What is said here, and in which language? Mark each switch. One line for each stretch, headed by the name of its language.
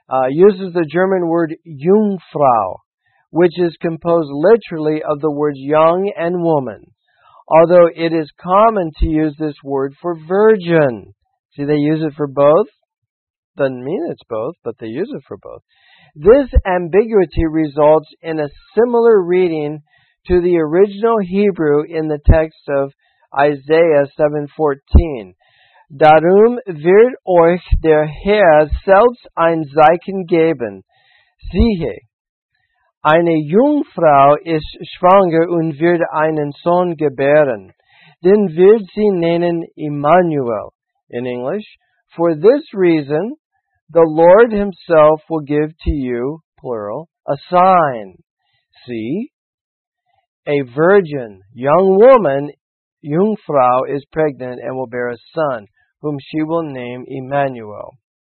English: Uses the German word Jungfrau, which is composed literally of the words young and woman, although it is common to use this word for virgin. See, they use it for both. Doesn't mean it's both, but they use it for both. This ambiguity results in a similar reading to the original Hebrew in the text of Isaiah 7:14.
German: Darum wird euch der Herr selbst ein Zeichen geben. Siehe, eine Jungfrau ist schwanger und wird einen Sohn gebären. Den wird sie nennen Immanuel.
English: In English, for this reason, the Lord himself will give to you, plural, a sign. See, a virgin, young woman, Jungfrau, is pregnant and will bear a son, whom she will name Emmanuel.